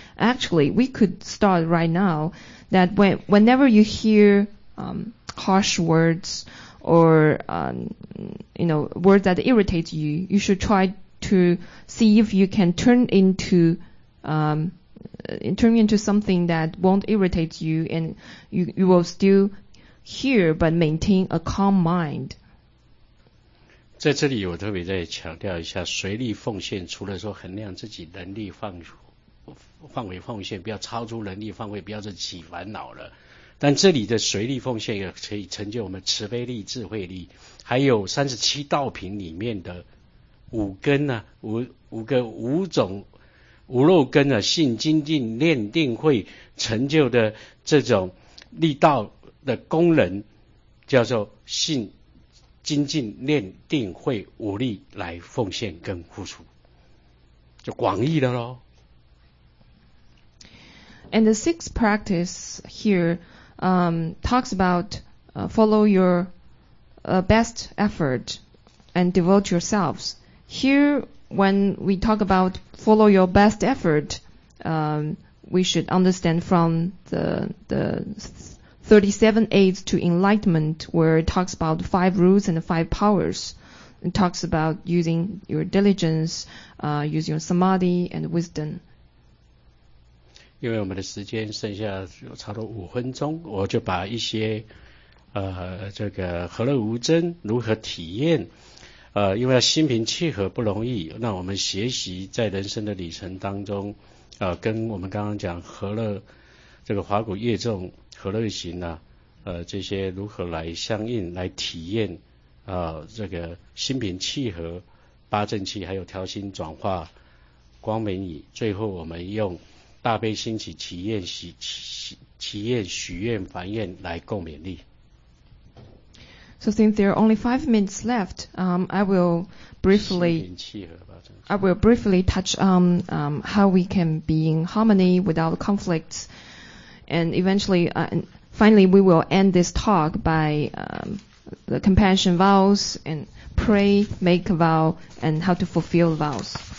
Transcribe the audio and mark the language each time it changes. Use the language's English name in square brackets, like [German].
[English] Actually, we could start right now that whenever you hear harsh words,or you know, words that irritate you, you should try to see if you can turn into something that won't irritate you, and you will still hear but maintain a calm mind. [Chinese] 在这里我特别再强调一下，随力奉献除了说衡量自己能力范围奉献，不要超出能力范围，不要自己烦恼了。但这里的随力奉献也可以成就我们慈悲力、智慧力，还有37道品里面的五根呢、啊，五种无漏根的、啊、信、精进、念、定、慧成就的这种力道的功能，叫做信、精进、念、定、慧五力来奉献跟付出，就广义的咯。 [English] And the sixth practice here. Talks about follow your best effort and devote yourselves. Here, when we talk about follow your best effort, we should understand from the 37 aids to enlightenment, where it talks about five rules and five powers. It talks about using your diligence, use your samadhi and wisdom. [Chinese] 因为我们的时间剩下差不多五分钟，我就把一些这个和乐无争如何体验，因为要心平气和不容易，那我们学习在人生的旅程当中，跟我们刚刚讲和乐这个华古业众和乐行啊，这些如何来相应来体验，这个心平气和八正气还有调心转化光明矣，最后我们用大悲心起祈愿许愿凡愿来共勉励。 [English] So since there are only 5 minutes left, I will briefly touch on how we can be in harmony without conflicts, and eventually, finally, we will end this talk by the compassion vows and pray, make a vow, and how to fulfill vows.